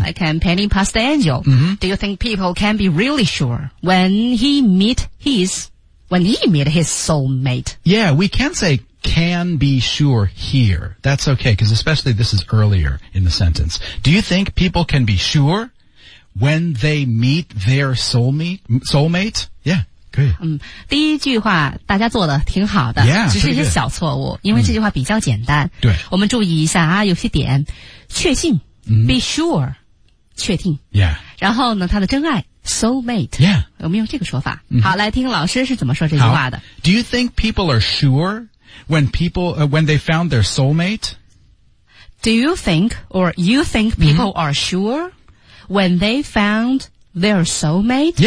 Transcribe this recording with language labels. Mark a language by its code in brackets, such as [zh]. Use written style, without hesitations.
[en] I can penny past the angel.、Do you think people can be really sure when he meet his soulmate? Yeah, we can say can be sure here. That's okay, because especially this is earlier in the sentence. Do you think people can be sure when they meet their soulmate? Yeah. [zh] 嗯，第一句话大家做的挺好的 [en] yeah, [zh] 只是一些小错误因为这句话比较简单对我们注意一下啊有些点确信、be sure 确定、 [en] yeah. [zh] 然后呢他的真爱 soulmate、 [en] yeah. [zh] 我们用这个说法、好来听老师是怎么说这句话的 [en] Do you think people are sure when they found their soulmate? Do you think or you think people、are sure when they found their soulmate?